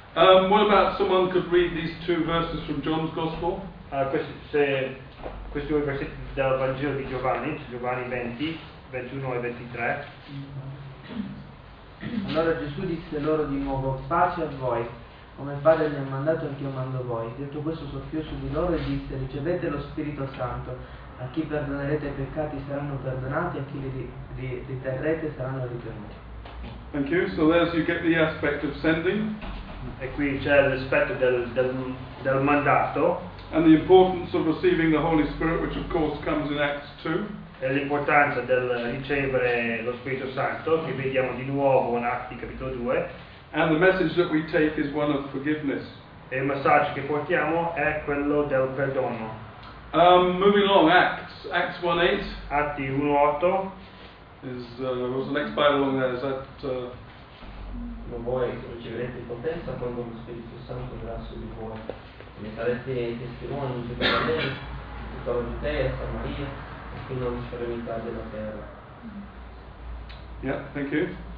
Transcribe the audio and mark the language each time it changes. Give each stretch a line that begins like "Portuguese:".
English: What about someone could read these two verses from John's Gospel?
Italian: Questi due versetti del Vangelo di Giovanni, Giovanni 20, 21 e 23. Allora Gesù disse loro di nuovo: pace a voi, come il Padre mi ha mandato e anch'io mando voi. Detto questo soffiò su di loro e disse: ricevete lo Spirito Santo, a chi perdonerete i peccati saranno perdonati, a chi li riterrete saranno ritenuti.
English: Thank you. So there you get the aspect of sending.
Italian: E qui c'è l'aspetto del mandato.
English: And the importance of receiving the Holy Spirit, which of course comes in Acts 2.
Italian: E l'importanza del ricevere lo Spirito Santo, che vediamo di nuovo in Atti capitolo 2.
English: And the message that we take is one of forgiveness.
Italian: E il messaggio che portiamo è quello del perdono.
English: Moving along, Acts 1:8.
Italian: Atti 1:8.
English: Was the next Bible along there? Is that?
Italian: Non voi riceverete potenza quando lo Spirito Santo verrà su di voi. Ne sarete testimoni in Gerusalemme, in tutta la Giudea, a Samaria, e fino all'estremità della terra.
English: Yeah, thank you.